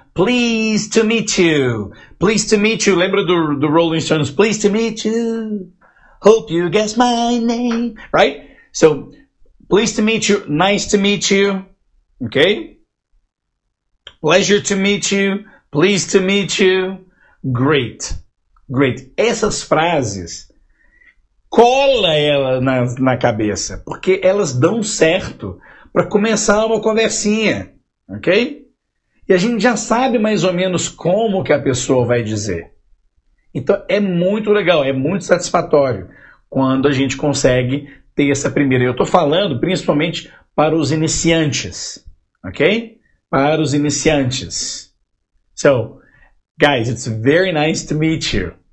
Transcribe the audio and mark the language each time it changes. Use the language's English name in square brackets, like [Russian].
[English] Pleased to meet you, pleased to meet you. [Portuguese] Lembra do Rolling Stones? [English] Pleased to meet you, hope you guess my name, right? So, pleased to meet you, nice to meet you, ok? Pleasure to meet you, pleased to meet you, great. Great. [Portuguese] Essas frases, cola elas na cabeça, porque elas dão certo para começar uma conversinha, ok? E a gente já sabe mais ou menos como que a pessoa vai dizer. Então, é muito legal, é muito satisfatório quando a gente consegue ter essa primeira. Eu estou falando principalmente para os iniciantes, ok? Para os iniciantes. [English] So, guys, it's very nice to meet you.